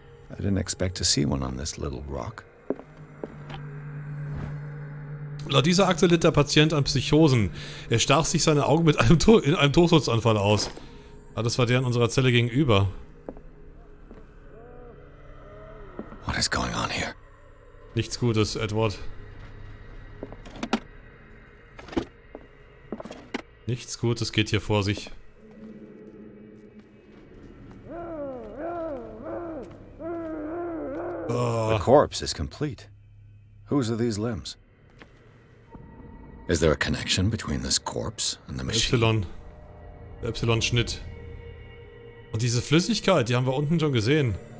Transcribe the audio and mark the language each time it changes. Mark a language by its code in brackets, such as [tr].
[en] I didn't expect to see one on this little rock. [de] Laut dieser Akte litt der Patient an Psychosen. Er stach sich seine Augen mit einem in einem Durchsuchtsanfall aus. Ah, das war der in unserer Zelle gegenüber. [en] What is going on here? [de] Nichts Gutes, Edward. Nichts Gutes geht hier vor sich. [en] The corpse is complete. Whose are these limbs? Is there a connection between this corpse and the machine? [de] Y-Schnitt. Und diese Flüssigkeit, die haben wir unten schon gesehen.